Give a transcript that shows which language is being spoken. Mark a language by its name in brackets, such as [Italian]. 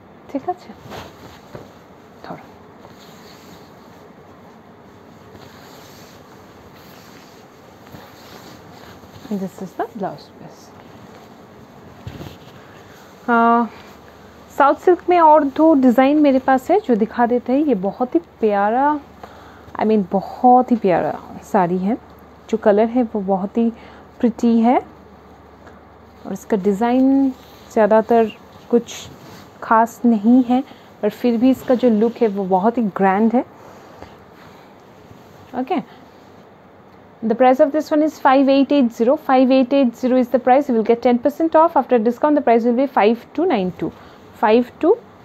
[Bangla] ঠিক আছে। [English] And this is the blouse piece. [Hindi] South silk में और दो डिज़ाइन मेरे पास है जो दिखा देते हैं। ये बहुत ही प्यारा, आई मीन बहुत ही प्यारा साड़ी है। जो कलर है वो बहुत ही प्रिटी है और इसका डिज़ाइन ज़्यादातर कुछ खास नहीं है, पर फिर भी इसका जो लुक है वो बहुत ही ग्रैंड है। [English] Okay, the price of this one is 5880. 5880 is the price. You will get 10% off after discount. The price will be 5292.